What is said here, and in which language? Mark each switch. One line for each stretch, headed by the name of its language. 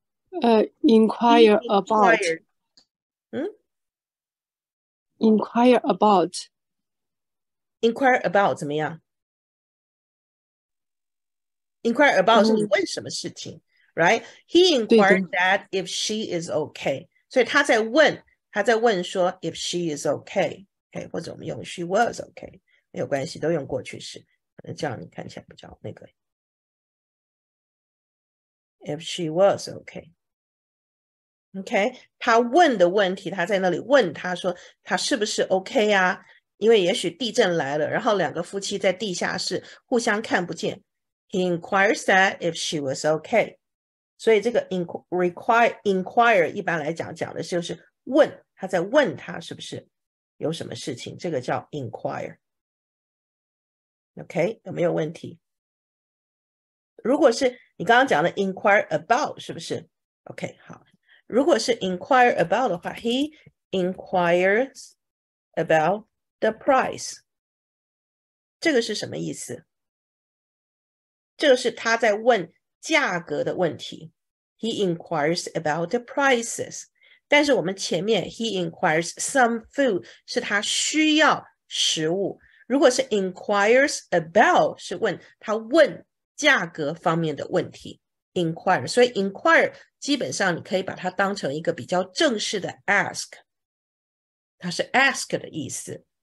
English: He Inquire about. inquired. Inquire about.
Chinese: Inquire about 怎么样？Inquire about 是你问什么事情，right?
English: He
Chinese: 对
English: inquired
Chinese: 的。
English: that if she is okay.
Chinese: 所以他在问说
English: if she is okay。
Chinese: 哎，或者我们用
English: she was okay，
Chinese: 没有关系，都用过去式，可能这样你看起来比较那个。
English: If she was okay，
Chinese: OK，他问的问题，他在那里问，他说他是不是 OK 呀？因为也许地震来了，然后两个夫妻在地下室互相看不见。
English: He inquires that if she was okay，
Chinese: 所以这个 inquire 一般来讲讲的就是问，他在问他是不是。有什么事情？这个叫 inquire，OK？Okay？ 有没有问题？如果是你刚刚讲的 inquire about，是不是？OK，好。如果是
English: inquire about
Chinese: 的话，
English: he inquires about the price，
Chinese: 这个是什么意思？这个是他在问价格的问题。
English: He inquires about the prices。
Chinese: 但是我们前面
English: he inquires some food
Chinese: 是他需要食物，如果是 inquires about 是问他问价格方面的问题，inquire，所以 inquire 基本上你可以把它当成一个比较正式的 ask，它是 ask 的意思。